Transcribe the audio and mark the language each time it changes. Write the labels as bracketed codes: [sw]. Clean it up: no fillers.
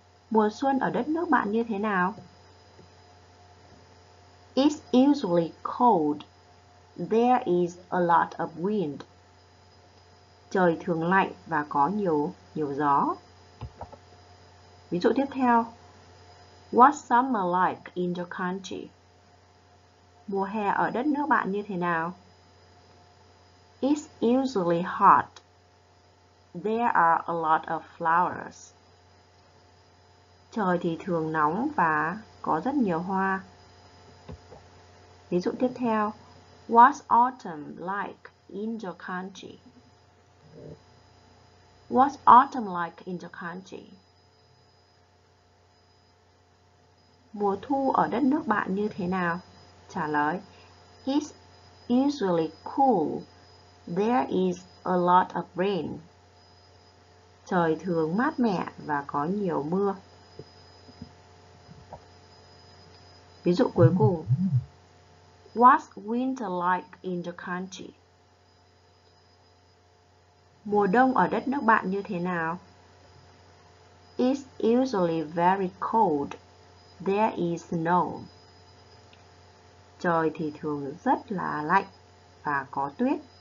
[vi] Mùa xuân ở đất nước bạn như thế nào? [en] It's usually cold. There is a lot of wind. [vi] Trời thường lạnh và có nhiều gió. Ví dụ tiếp theo, [en] what's summer like in your country? [vi] Mùa hè ở đất nước bạn như thế nào? [en] It's usually hot. There are a lot of flowers. [vi] Trời thì thường nóng và có rất nhiều hoa. Ví dụ tiếp theo, [en] what's autumn like in your country? What's autumn like in your country? [vi] Mùa thu ở đất nước bạn như thế nào? Trả lời, [en] it's usually cool. There is a lot of rain. [vi] Trời thường mát mẻ và có nhiều mưa. Ví dụ cuối cùng, [en] what's winter like in your country? [vi] Mùa đông ở đất nước bạn như thế nào? [en] It's usually very cold. There is snow. [vi] Trời thì thường rất là lạnh và có tuyết.